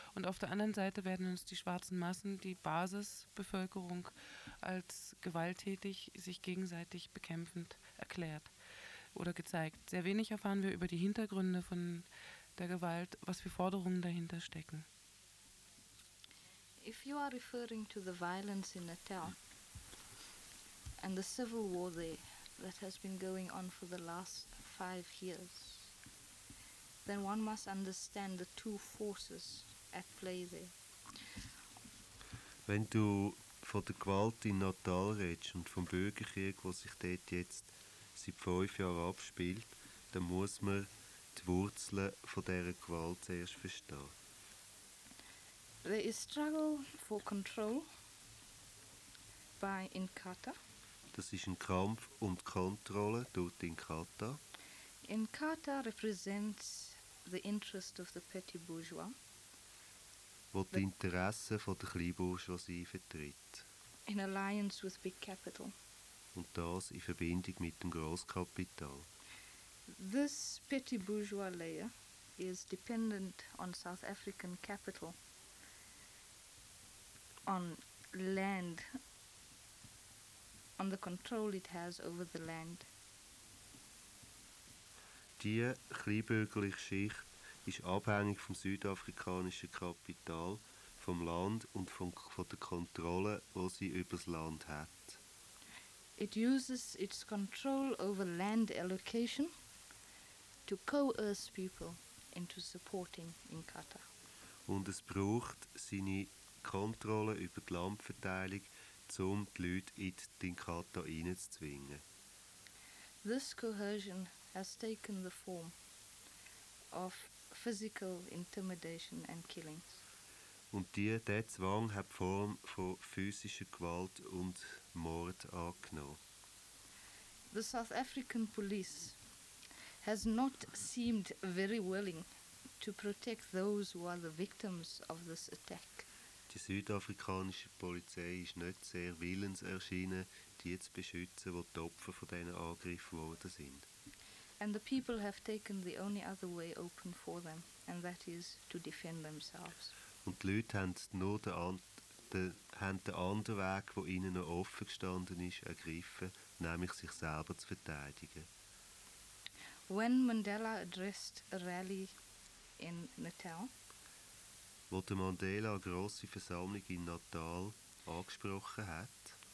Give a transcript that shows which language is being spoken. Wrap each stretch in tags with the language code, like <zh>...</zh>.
<de>Und auf der anderen Seite werden uns die schwarzen Massen, die Basisbevölkerung, als gewalttätig, sich gegenseitig bekämpfend erklärt oder gezeigt. Sehr wenig erfahren wir über die Hintergründe von der Gewalt, was für Forderungen dahinter stecken.</de> <en>If you are referring to the violence in Natal and the civil war there that has been going on for the last 5 years, then one must understand the two forces at play there.</en> <de>Wenn du von der Gewalt in Natal redest und vom Bürgerkrieg, der sich dort jetzt seit 5 Jahren abspielt, dann muss man die Wurzeln von dieser Gewalt zuerst verstehen.</de> <en>There is struggle for control by Inkatha.</en> <de>Das ist ein Kampf um die Kontrolle durch Inkatha.</de> <en>Inkatha represents the interest of the petty bourgeois.</en> <de>Wo die Interessen von der Kleinbourgeoisie vertritt.</de> <en>In alliance with big capital.</en> <de>Und das in Verbindung mit dem Grosskapital.</de> <en>This petty bourgeois layer is dependent on South African capital, on land, on the control it has over the land.</en> <de>Die kleinbürgerliche Schicht ist abhängig vom südafrikanischen Kapital, vom Land und von der Kontrolle, die sie über das Land hat.</de> <en>It uses its control over land allocation to coerce people into supporting Inkatha.</en> <de>Und es braucht seine Kontrolle über die Landverteilung, um die Leute in die Inkatha hineinzuzwingen.</de> <en>This coercion has taken the form of physical intimidation and killings.</en> <de>Und dieser Zwang hat die Form von physischer Gewalt und Mord angenommen.</de> <en>The South African police has not seemed very willing to protect those who are the victims of this attack.</en> <de>Die südafrikanische Polizei ist nicht sehr willens erschienen, die zu beschützen, wo die Opfer von diesen Angriffen geworden sind.</de> <en>And the people have taken the only other way open for them, and that is to defend themselves.</en> <de>Und die Leute haben nur den anderen Weg, der ihnen noch offen gestanden ist, ergriffen, nämlich sich selber zu verteidigen.</de> <en>When Mandela addressed a rally in Natal,</en> <de>wo der Mandela eine grosse Versammlung in Natal angesprochen hat,</de>